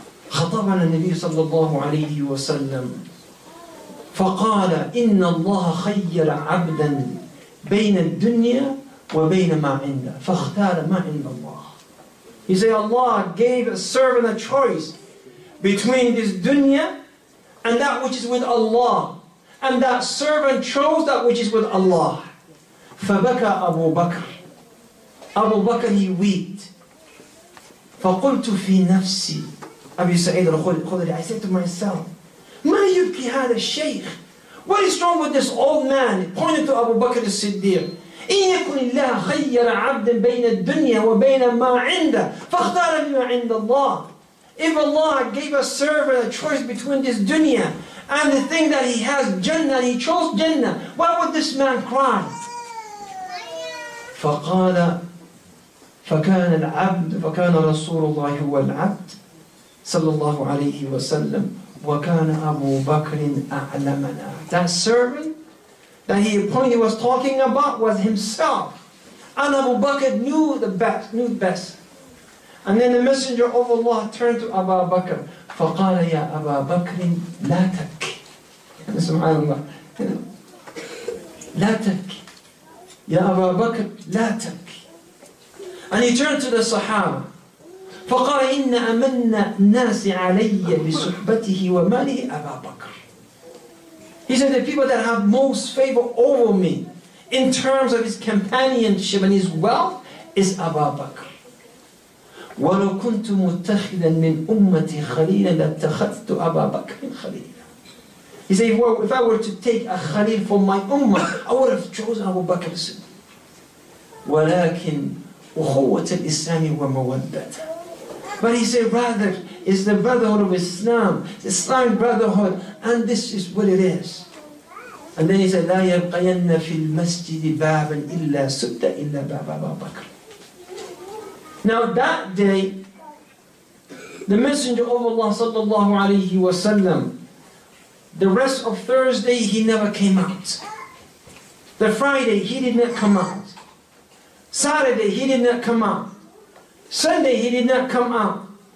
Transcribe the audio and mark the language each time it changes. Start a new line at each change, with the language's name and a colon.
Arabic: خطبنا النبي صلى الله عليه وسلم فقال إن الله خير عبدا بين الدنيا وبين ما عنده فاختار ما عند الله.
English: He said, Allah gave a servant a choice between this dunya and that which is with Allah, and that servant chose that which is with Allah.
Arabic: فبكى أبو بكر. أبو بكر
English: he wept.
Arabic: فقلت في نفسي Abu Sa'id al-Khudri,
English: I said to myself,
Arabic: مَا يُبْكِ هَذَا الشَّيْخ.
English: What is wrong with this old man? He pointed to Abu Bakr al-Siddiq.
Arabic: إِنْ يَكُنِ اللَّهَ خَيَّرَ عَبْدًا بَيْنَ الدُّنْيَا وَبَيْنَ مَا عِنْدَهُ فَاخْتَارَ بِمَا عِنْدَ اللَّهِ.
English: If Allah gave a servant a choice between this dunya and the thing that he has, Jannah, he chose Jannah, why would this man cry?
Arabic: فَقَالَ فَكَانَ الْعَبْدُ فَكَانَ رَسُولُ اللَّهِ هُوَ الْعَبْدُ صلى الله عليه وسلم وكان أبو بكر أعلمنا.
English: That servant that he appointed was talking about was himself. And Abu Bakr knew best. And then the Messenger of Allah turned to Abu Bakr.
Arabic: فقال يا أبا بكر لا تبك. سبحان الله. لا تبك. يا أبا بكر لا تبك.
English: And he turned to the Sahaba.
Arabic: فقال إن أمن الناس علي بصحبته وماله أبا بكر.
English: He said, the people that have most favor over me in terms of his companionship and his wealth is Abu Bakr.
Arabic: ولو كنت متخذا من أمتي خليلا لاتخذت أبا بكر خليلا.
English: He said, if I were to take a خليل from my ummah, I would have chosen Abu Bakr.
Arabic: ولكن أخوة الإسلام ومودته.
English: But he said, rather, it's the brotherhood of Islam. It's Islam brotherhood. And this is what it is. And then he said,
Arabic: لَا يَبْقَيَنَّ فِي الْمَسْجِدِ بَابًا إِلَّا سُبْتَ إِلَّا بَابَ أَبَا بَكْرٍ.
English: Now that day, the Messenger of Allah sallallahu alayhi wa sallam, the rest of Thursday, he never came out. The Friday, he did not come out. Saturday, he did not come out. Sunday, he did not come out.